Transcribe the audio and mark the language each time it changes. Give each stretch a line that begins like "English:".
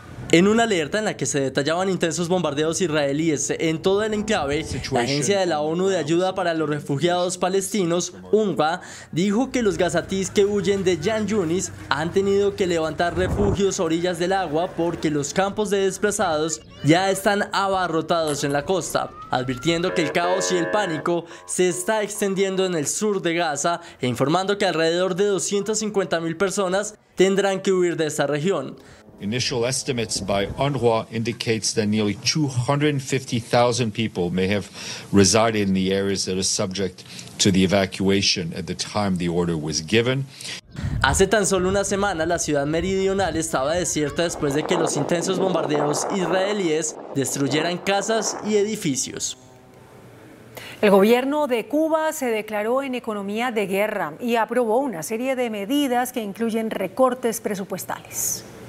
Spanish: En una alerta en la que se detallaban intensos bombardeos israelíes en todo el enclave, la Agencia de la ONU de Ayuda para los Refugiados Palestinos, UNRWA, dijo que los gazatís que huyen de Yan Yunis han tenido que levantar refugios a orillas del agua porque los campos de desplazados ya están abarrotados en la costa, advirtiendo que el caos y el pánico se está extendiendo en el sur de Gaza e informando que alrededor de 250 mil personas tendrán que huir de esta región.
English: Initial estimates by UNRWA indicates that nearly 250,000 people may have resided in the areas that are subject to the evacuation at the time the order was given.
Spanish: Hace tan solo una semana, la ciudad meridional estaba desierta después de que los intensos bombardeos israelíes destruyeran casas y edificios. El gobierno de Cuba se declaró en economía de guerra y aprobó una serie de medidas que incluyen recortes presupuestales.